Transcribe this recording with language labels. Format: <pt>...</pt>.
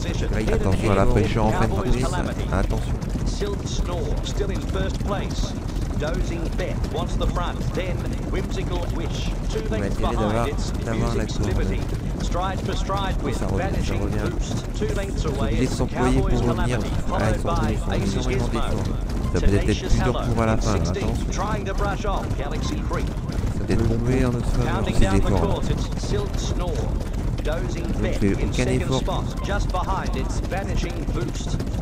<fr>Là, il attend à la fraîcheur en fin de course. Attention.</fr> <en>Dozing Bet wants the front, then Whimsical Wish. Two lengths behind, it's Music's Liberty. Stride for stride with Vanishing Boost. Two lengths away, it's Cowboy's Calamity, followed by Aces Gizmo.</en> <fr>Ça peut être plus dur pour à la fin, attention. Ça peut être tombé en notre faveur, ces efforts.</fr> <en>Dozing Bet in second spot, just behind, it's Vanishing Boost.</en>